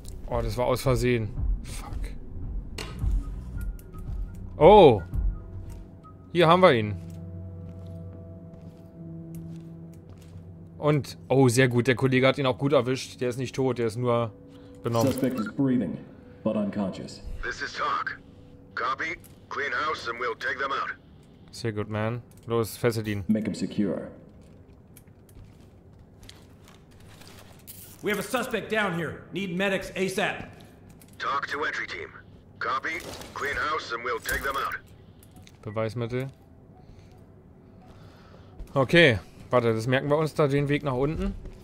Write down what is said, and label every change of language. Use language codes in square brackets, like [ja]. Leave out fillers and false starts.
[de] Oh, das war aus Versehen. Fuck. Oh. Hier haben wir ihn. Und, oh, sehr gut. Der Kollege hat ihn auch gut erwischt. Der ist nicht tot, der ist nur... Benommen. [en] Suspect is breathing, but unconscious. This is Hawk. Copy. Clean house and we'll take them out. [de] Sehr gut, man. Los, fessel ihn. [en] Make him secure. We have a suspect down here. Need medics ASAP. Talk to entry team. Copy. Clean house and we'll take them out. [de] Beweismittel. Okay. Warte, das merken wir uns da, den Weg nach unten.